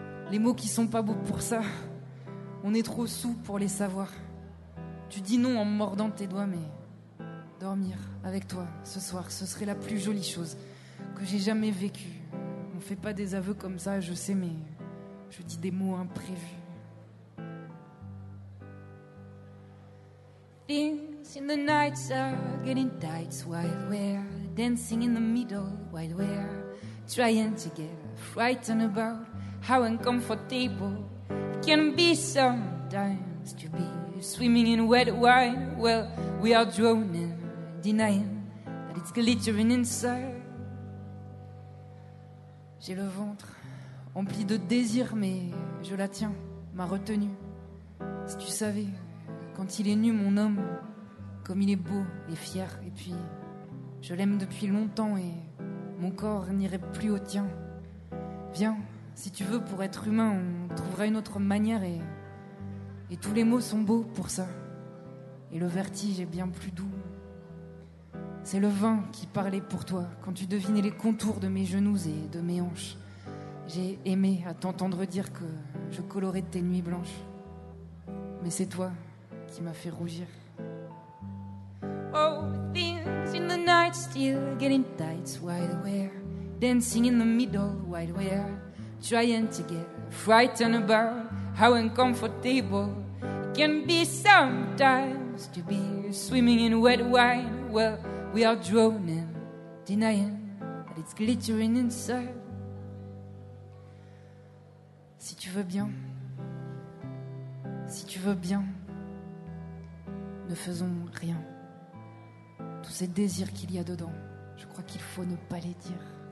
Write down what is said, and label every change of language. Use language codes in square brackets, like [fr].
[fr] Les mots qui sont pas beaux pour ça, on est trop saoul pour les savoir. Tu dis non en mordant tes doigts, mais dormir avec toi ce soir, ce serait la plus jolie chose que j'ai jamais vécue. On fait pas des aveux comme ça, je sais, mais je dis des mots imprévus. [en] Things in the nights are getting tight while we're dancing in the middle, while we're trying to get frightened about how uncomfortable it can be sometimes to be swimming in wet wine. Well, we are drowning, denying that it's glittering inside. [fr] J'ai le ventre empli de désir, mais je la tiens, ma retenue. Si tu savais. Quand il est nu, mon homme, comme il est beau et fier. Et puis, je l'aime depuis longtemps et mon corps n'irait plus au tien. Viens, si tu veux, pour être humain, on trouvera une autre manière. Et tous les mots sont beaux pour ça. Et le vertige est bien plus doux. C'est le vin qui parlait pour toi quand tu devinais les contours de mes genoux et de mes hanches. J'ai aimé à t'entendre dire que je colorais tes nuits blanches. Mais c'est toi qui m'a fait rougir. [en] Oh, things in the night still getting tight while we're dancing in the middle, while we're trying to get frightened about how uncomfortable it can be sometimes to be swimming in wet wine. Well, we are drowning, denying that it's glittering inside. [fr] Si tu veux bien, si tu veux bien, ne faisons rien. Tous ces désirs qu'il y a dedans, je crois qu'il faut ne pas les dire.